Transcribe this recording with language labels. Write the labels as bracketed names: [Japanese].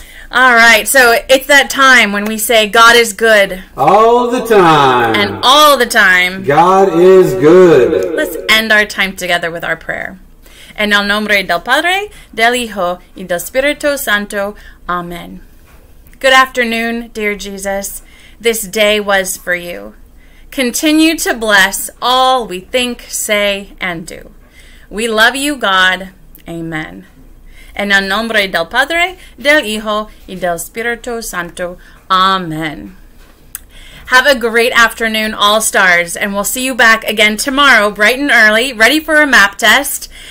[English] All right, so it's that time when we say God is good. All the time. And all the time. God is good. Let's end our time together with our prayer. [Spanish] En el nombre del Padre, del Hijo, y del Espíritu Santo. [English] Amen. Good afternoon, dear Jesus. This day was for you. Continue to bless all we think, say, and do. We love you, God. Amen. [Spanish] En el nombre del Padre, del Hijo, y del Espíritu Santo. [English] Amen. Have a great afternoon, all stars, and we'll see you back again tomorrow, bright and early, ready for a map test.